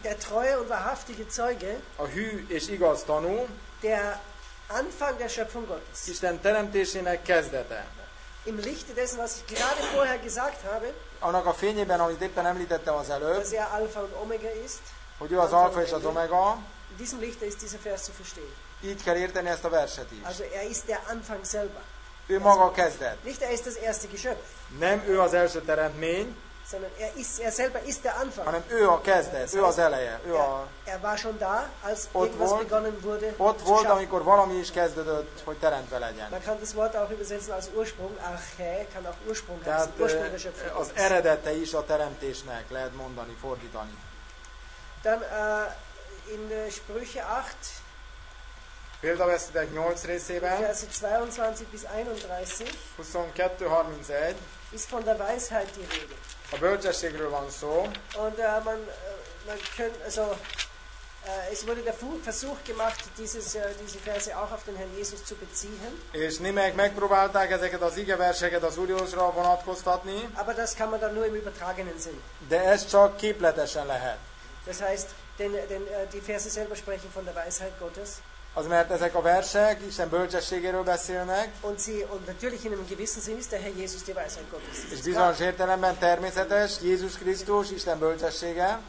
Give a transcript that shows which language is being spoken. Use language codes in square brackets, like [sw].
[de] Der treue und wahrhaftige Zeuge. [hu] A hű és igaz tanú. [de] Der Anfang der Schöpfung Gottes. [hu] Isten teremtésének kezdete. [de] Im Lichte dessen, was ich gerade vorher gesagt habe. [hu] Annak a fényében, amit éppen említettem az előbb. [de] Dass er Alpha und Omega ist. [hu] Hogy ő az Alpha és az Omega. [de] In diesem Lichte ist dieser Vers zu verstehen. [hu] Így kell érteni ezt a verset is. [de] Also er ist der Anfang selber. [hu] Ő maga a kezdet. [de] Nicht er ist das erste Geschöpf. [hu] Nem ő az első teremtmény. [de] Sondern er ist, er selber ist der Anfang. [hu] Hanem ő a kezdet, ő az eleje. Ő [de] er, a... er war schon da, als irgendwas [hu] volt, [de] begonnen wurde. [hu] Ott volt, amikor valami is kezdődött, hogy teremtve legyen. [de] Man kann das Wort auch übersetzen als Ursprung. Arche kann auch Ursprung heißen. [hu] Tehát [de] Ursprung der Schöpfung. [hu] Az eredete is a teremtésnek, lehet mondani, fordítani. [de] Dann in Sprüche 8. [hu] Példaveszetek 8 részében. [de] Verse 22 bis 31. [hu] 22-31. [de] Ist von der Weisheit die Rede. [hu] A bölcsességről van szó. [de] Und man könnte, also es wurde der Versuch gemacht, diese Verse auch auf den Herrn Jesus zu beziehen. [hu] És némelyek megpróbálták ezeket az igeverseket az Úr Jézusra vonatkoztatni. [de] Aber das kann man dann nur im übertragenen Sinn. [hu] De ez csak képletesen lehet. [de] Das heißt, denn die Verse selber sprechen von der Weisheit Gottes. [hu] Az mert ezek a versek Isten bölcsességéről beszélnek. [de] Und sie, und natürlich in einem gewissen Sinn ist der Herr Jesus die Weisheit Gottes. [hu] És bizonyos értelemben természetes Jézus Krisztus Isten bölcsessége.